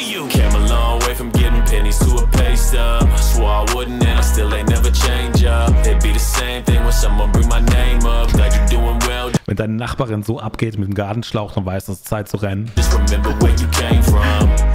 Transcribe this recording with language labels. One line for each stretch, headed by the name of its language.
English: Came a long way from getting pennies to a paste up. Swore I wouldn't and I still ain't never change up. It'd be the same thing when someone bring my name up. Glad you're doing well.
German: Wenn deine Nachbarin so abgeht mit dem Gartenschlauch, dann weißt du, es ist Zeit zu rennen.
English: Just remember where you came from.